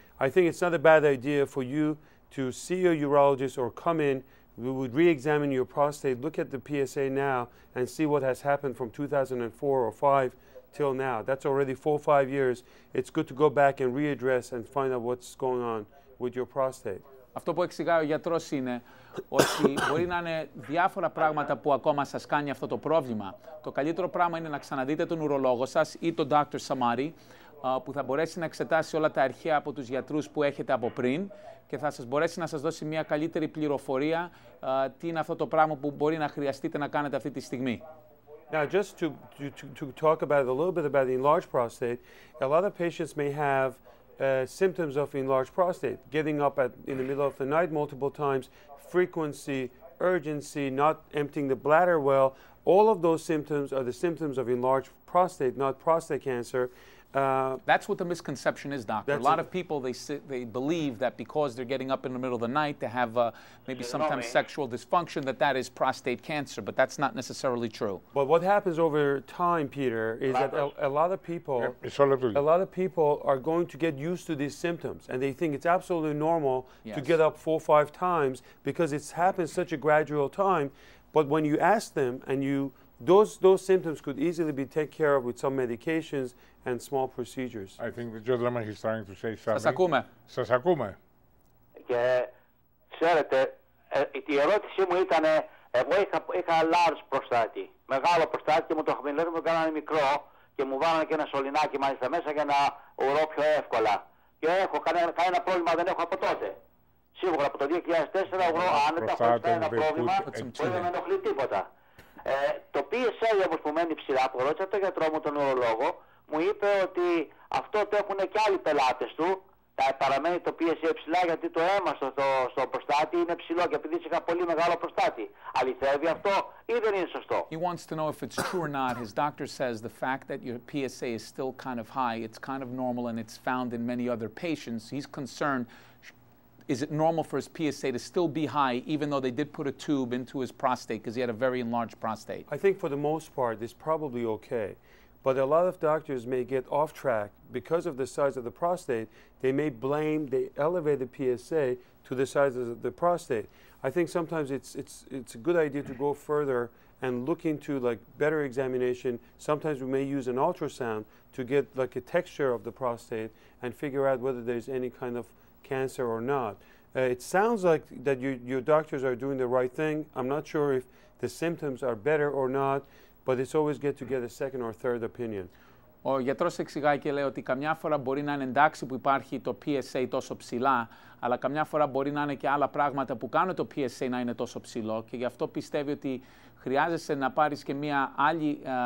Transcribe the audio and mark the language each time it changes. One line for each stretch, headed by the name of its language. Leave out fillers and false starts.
English: I think it's not a bad idea for you to see your urologist or come in. We would re-examine your prostate, look at the PSA now, and see what has happened from 2004 or 5 till now. That's already 4 or 5 years. It's good to go back and readdress and find out what's going on with your prostate.
Greek: Αυτό που εξηγάει ο γιατρός είναι ότι μπορεί να είναι διάφορα πράγματα που ακόμα σας κάνει αυτό το πρόβλημα. Το καλύτερο πράγμα είναι να ξαναδείτε τον ουρολόγο σας ή τον Dr. Samadi, που θα μπορέσει να εξετάσει όλα τα αρχεία από τους γιατρούς που έχετε από πριν και θα σας μπορέσει να σας δώσει μια καλύτερη πληροφορία τι είναι αυτό το πράγμα που μπορεί να χρειαστείτε να κάνετε αυτή τη στιγμή.
English: Now, just to talk about it a little bit about the enlarged prostate, a lot of patients may have symptoms of enlarged prostate, getting up in the middle of the night multiple times, frequency, urgency, not emptying the bladder well. All of those symptoms are the symptoms of enlarged prostate, not prostate cancer. That's what the misconception is, doctor. A lot of people, they believe that because they're getting up in the middle of the night to have maybe sometimes sexual dysfunction, that is prostate cancer, but that's not necessarily true. But what happens over time, Peter, is that a lot of people, a lot of people are going to get used to these symptoms, and they think it's absolutely normal to get up 4 or 5 times because it's happened such a gradual time. But when you ask them, and those symptoms could easily be taken care of with some medications and small procedures. I think the gentleman is trying to say something.
Greek: Σας ακούμε. Και ξέρετε, η ερώτησή μου ήταν, εγώ είχα large προστάτη, μεγάλο προστάτη και μου το χαμηλέρι μου κάνανε μικρό και μου βάλανε και ένα σωληνάκι μάλιστα μέσα για να ουρώ πιο εύκολα. Και έχω κανένα πρόβλημα, δεν έχω από τότε. Σίγουρα από το 2004 ουρώ άνετα, χωρίς κανένα πρόβλημα, που δεν με ενοχλεί τίποτα. Το PSA όμως που μένει ψηλά, που ρώτησα τον γιατρό μου, τον ουρολόγο, μου είπε ότι αυτό το έχουν και άλλοι πελάτες του. Παραμένει το PSA ψηλά γιατί το αίμα στο προστάτη είναι ψηλό και επειδή είχα πολύ μεγάλο προστάτη. Αληθεύει αυτό ή δεν είναι σωστό?
English: He wants to know if it's true or not. His doctor says the fact that your PSA is still kind of high, it's kind of normal and it's found in many other patients. He's concerned, is it normal for his PSA to still be high even though they did put a tube into his prostate because he had a very enlarged prostate? I think for the most part it's probably okay. But a lot of doctors may get off track because of the size of the prostate. They may blame the elevated PSA to the size of the prostate. I think sometimes it's a good idea to go further and look into like better examination. Sometimes we may use an ultrasound to get like a texture of the prostate and figure out whether there's any kind of cancer or not. It sounds like that your doctors are doing the right thing. I'm not sure if the symptoms are better or not. But it's always good to get a second or third opinion.
Greek: Ο γιατρός εξηγάει και λέει ότι καμιά φορά μπορεί να είναι εντάξει που υπάρχει το PSA τόσο ψηλά, αλλά καμιά φορά μπορεί να είναι και άλλα πράγματα που κάνουν το PSA να είναι τόσο ψηλό και γι' αυτό πιστεύει ότι χρειάζεσαι να πάρεις και μια άλλη...